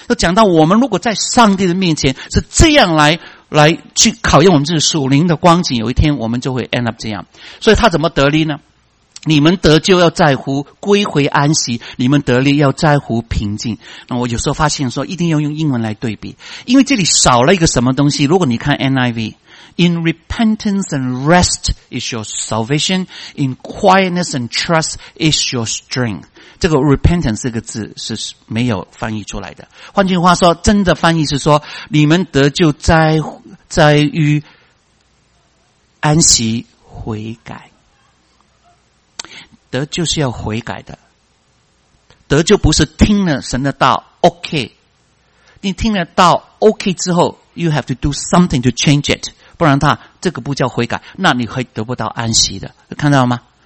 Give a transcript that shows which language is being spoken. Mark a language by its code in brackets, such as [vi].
[zh] 就讲到我们如果在上帝的面前是这样来去考验我们自己属灵的光景，有一天我们就会 [en] end up [zh] 这样。所以他怎么得力呢？你们得救要在乎归回安息，你们得力要在乎平静。那我有时候发现说一定要用英文来对比，因为这里少了一个什么东西。如果你看 [en] NIV， In repentance and rest is your salvation, In quietness and trust is your strength。 [zh] 这个 repentance 这个字是没有翻译出来的，换句话说真的翻译是说你们得救在于安息悔改。得救是要悔改的，得救不是听了神的道 OK， 你听了道 OK 之后 [en] You have to do something to change it， [zh] 不然他这个不叫悔改，那你会得不到安息的，看到吗？